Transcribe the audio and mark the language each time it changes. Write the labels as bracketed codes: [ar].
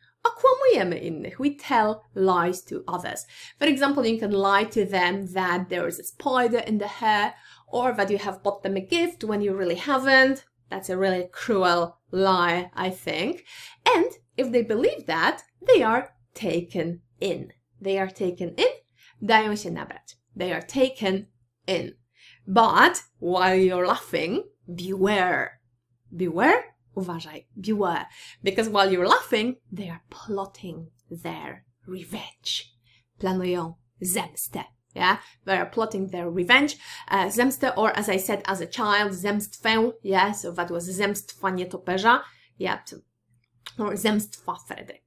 [pl] Okłamujemy innych, [en] we tell lies to others. For example, you can lie to them that there is a spider in the hair, or that you have bought them a gift when you really haven't. That's a really cruel lie, I think. And if they believe that, they are taken in. They are taken in, [pl] dają się nabrać. [en] They are taken in. But while you're laughing, beware. Beware? [pl] Uważaj, [en] beware. Because while you're laughing, they are plotting their revenge. [pl] Planują zemstę. [en] Yeah, they are plotting their revenge, [pl] zemstę, [en] or as I said as a child, [pl] zemstwę, [en] yeah, so that was [pl] zemstwa nietoperza, [en] yeah, or [pl] zemstwa Fredy.